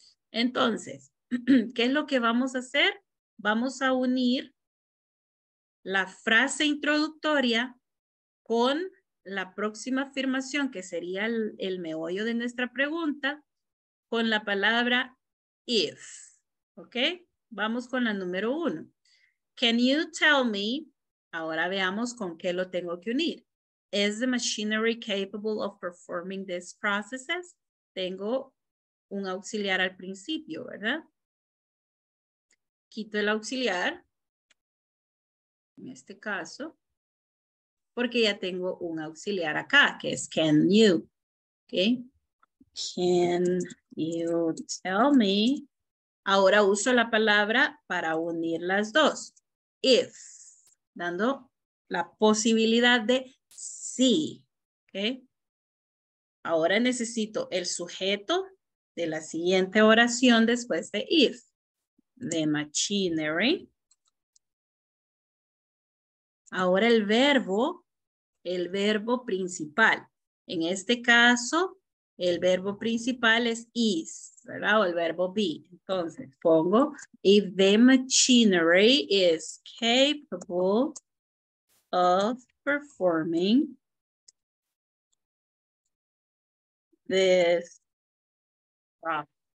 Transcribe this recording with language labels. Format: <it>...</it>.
<es>Entonces, ¿qué es lo que vamos a hacer? Vamos a unir la frase introductoria con la próxima afirmación, que sería el meollo de nuestra pregunta, con la palabra if. ¿Ok? Vamos con la número uno.</es> <en>Can you tell me?</en> <es>Ahora veamos con qué lo tengo que unir.</es> <en>Is the machinery capable of performing these processes?</en> <es>Tengo un auxiliar al principio, ¿verdad? Quito el auxiliar. En este caso. Porque ya tengo un auxiliar acá, que es can you. Okay.</es> <en>Can you tell me?</en> <es>Ahora uso la palabra para unir las dos. If. Dando la posibilidad de sí. Okay. Ahora necesito el sujeto de la siguiente oración después de if.</es> <en>The machinery.</en> <es>Ahora el verbo. El verbo principal. En este caso, el verbo principal es is, ¿verdad? O el verbo be. Entonces, pongo,</es> <en>if the machinery is capable of performing this process.</en>